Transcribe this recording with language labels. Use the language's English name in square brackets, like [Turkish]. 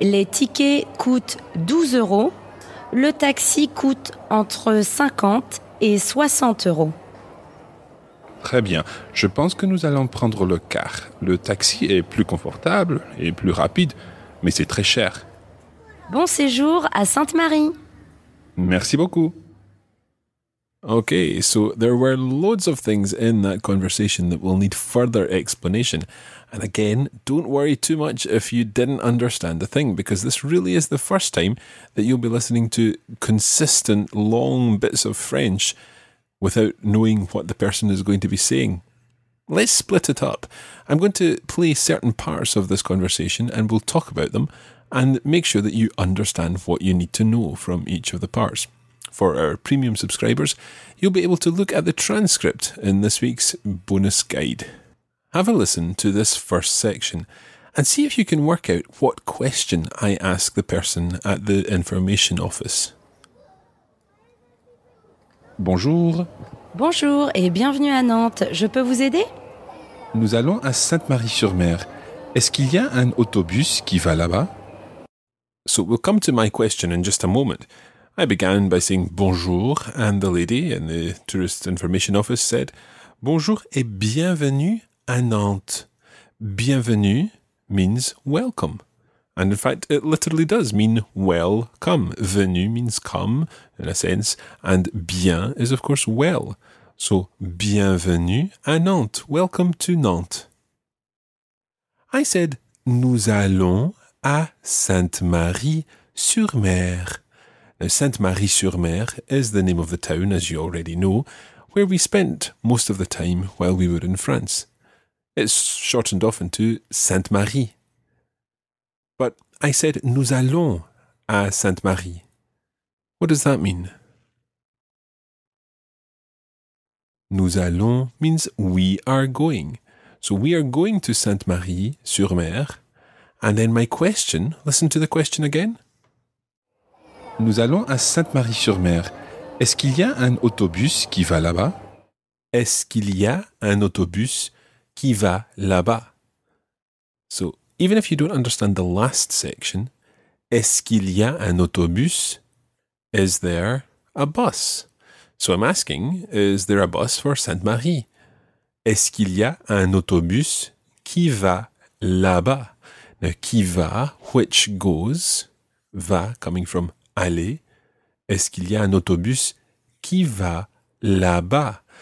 [French] Les tickets coûtent 12 euros. Le taxi coûte entre 50 et 60 euros. Très bien, je pense que nous allons prendre le car. Le taxi est plus confortable et plus rapide, mais c'est très cher. Bon séjour à Sainte-Marie. Merci beaucoup. [English] Okay, so there were loads of things in that conversation that will need further explanation. And again, don't worry too much if you didn't understand the thing, because this really is the first time that you'll be listening to consistent, long bits of French without knowing what the person is going to be saying. Let's split it up. I'm going to play certain parts of this conversation and we'll talk about them and make sure that you understand what you need to know from each of the parts. For our premium subscribers, you'll be able to look at the transcript in this week's bonus guide. Have a listen to this first section and see if you can work out what question I ask the person at the information office. [French] Bonjour. Bonjour et bienvenue à Nantes. Je peux vous aider ? Nous allons à Sainte-Marie-sur-Mer. Est-ce qu'il y a un autobus qui va là-bas ? [English] So we'll come to my question in just a moment. I began by saying bonjour and the lady in the tourist information office said [French] bonjour et bienvenue à Nantes. [English] Bienvenue means welcome. And in fact, it literally does mean well come. Venu means come, in a sense, and bien is, of course, well. So, [French] bienvenue à Nantes. [English] Welcome to Nantes. I said, [French] nous allons à Sainte-Marie-sur-Mer. [English] Now, Sainte-Marie-sur-Mer is the name of the town, as you already know, where we spent most of the time while we were in France. It's shortened often to Sainte-Marie. But I said, [French] nous allons à Sainte-Marie. [English] What does that mean? [French] Nous allons [English] means we are going. So we are going to Sainte-Marie-sur-Mer. And then my question, listen to the question again. [French] Nous allons à Sainte-Marie-sur-Mer. Est-ce qu'il y a un autobus qui va là-bas? Est-ce qu'il y a un autobus qui va là-bas? [English] So, even if you don't understand the last section, [French] est-ce qu'il y a un autobus? [English] Is there a bus? So I'm asking, is there a bus for Sainte-Marie? [French] Est-ce qu'il y a un autobus qui va là-bas? [English] Now, [French] qui va, [English] which goes, va coming from aller. [French] Est-ce qu'il y a un autobus qui va là-bas?